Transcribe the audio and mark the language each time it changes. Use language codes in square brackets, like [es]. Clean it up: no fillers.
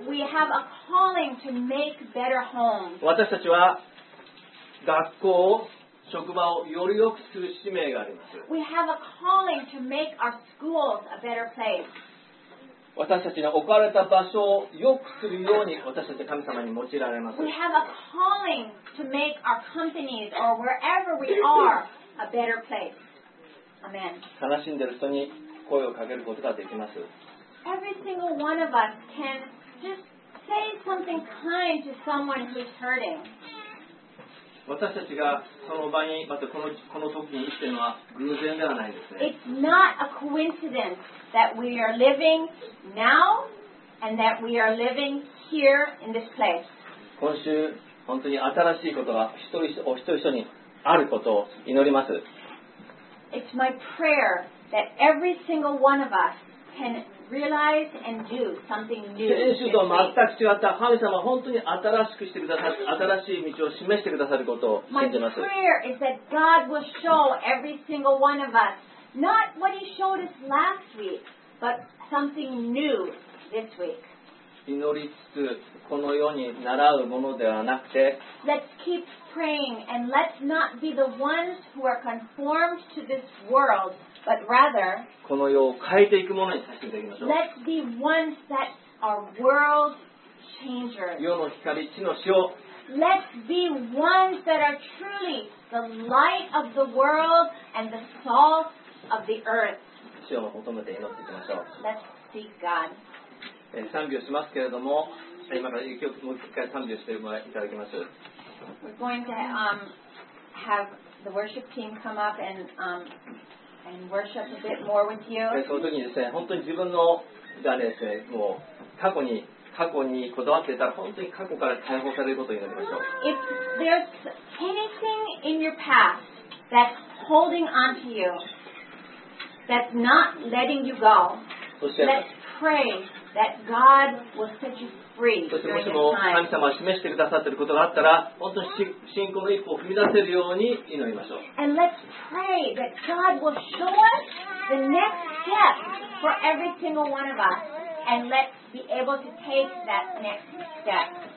[en] have a calling to make better homes. [ja] 私たちは学校、職場をより良くする使命があります。 [en] We have a calling to make our schools a better place. [ja] 私たちの置かれた場所を良くするように私たち神様に用いられます。 [en] We have a calling to make our companies or wherever we are a better place. Amen. [ja] 悲しんでる人に声をかけることができます。 [en] Every single one of us can just say something kind to someone who's hurting. [ja] 私たちがその場に、またこの時に生きているのは偶然ではないですね。 [en] It's not a coincidence that we are living now and that we are living here in this place. [ja] 今週、本当に新しいことが一人一人にあることを祈ります。 [en] It's my prayer that every single one of us can realize and do something new. [ja] 先週とは全く違った神様は本当に新しい道を示してくださることを信じます。 [en] My prayer is that God will show every single one of us not what He showed us last week, but something new this week. [ja] 祈りつつこの世に習うものではなくて、 [en] Let's keep praying and let's not be the ones who are conformed to this world. But rather, [ja] この世を変えていくものにさせていただきましょう。 [en] Let's be ones that are world changers. [ja] 世の光、地の塩。 [en] Let's be ones that are truly the light of the world and the salt of the earth. [ja] 主を求めて祈っていきましょう。 [en] Let's seek God. [ja] 賛美をしますけれども、今から一曲もう一回賛美をしてもらいただきます。 [en] We're going to have the worship team come up and worship a bit more with you. [ja] その時にですね、本当に自分のがですね、もう過去にこだわっていたら、本当に過去から解放されることになりましょう。 [en] If there's anything in your past that's holding on to you, that's not letting you go, let's pray that God will set you free. [ja] そしてもしも神様が示してくださっていることがあったら、本当に信仰の一歩を踏み出せるように祈りましょう。 [en] And let's pray that God will show us the next step for every single one of us, and let's be able to take that next step.